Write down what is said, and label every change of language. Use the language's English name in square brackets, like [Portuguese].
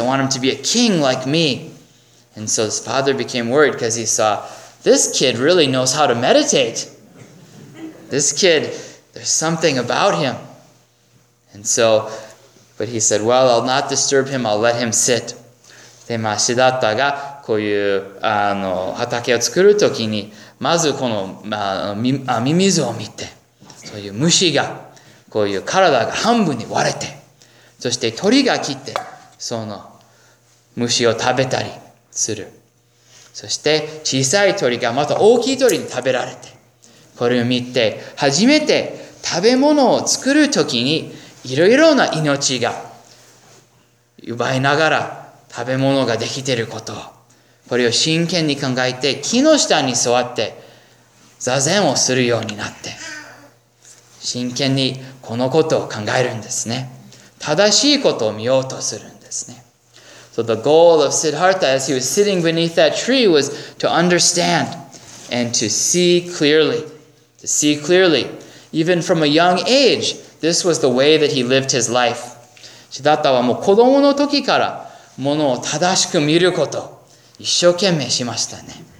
[English] I want him to be a king like me. And so his father became worried, because he saw, this kid really knows how to meditate. This kid, there's something about him. And so, but he said, well, I'll not disturb him, I'll let him sit. [Japanese] で、まあ、シダッタがこういう畑を作るときに、まずこの、まあ、ミミズを見て、そういう虫が、こういう体が半分に割れて、そして鳥が来て、その虫を食べたりする。そして小さい鳥がまた大きい鳥に食べられて、これを見て、初めて食べ物を作るときに、いろいろな命が奪いながら食べ物ができていること。これを真剣に考えて、木の下に座って、座禅をするようになって、真剣にこのことを考えるんですね。正しいことを見ようとするんですね。 [English] So the goal of Siddhartha as he was sitting beneath that tree was to understand and to see clearly. To see clearly. Even from a young age, this was the way that he lived his life. [Japanese] Siddhartha はもう子供の時から物を正しく見ること一生懸命しましたね。